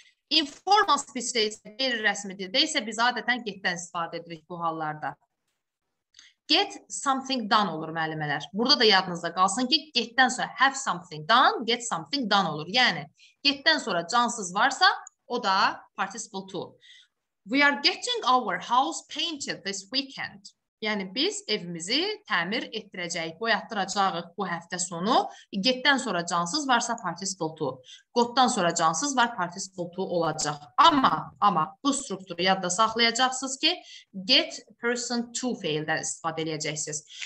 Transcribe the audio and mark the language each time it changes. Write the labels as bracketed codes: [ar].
[az] Informal speech bir rəsmi dildə isə biz adətən get-dən istifadə edirik bu hallarda. [en] Get something done [az] olur müəllimələr. Burada da yadınızda qalsın ki, get-dən sonra [en] have something done, get something done [az] olur. Yəni, get-dən sonra cansız varsa, o da participle to. [en] We are getting our house painted this weekend. [az] Yəni, biz evimizi təmir etdirəcəyik, boyatdıracağıq bu həftə sonu. Get-dən sonra cansız varsa participle to. Got-dan sonra cansız var, participle to olacaq. Amma bu strukturu yadda saxlayacaqsınız ki, get person to feildən istifadə edəcəksiniz.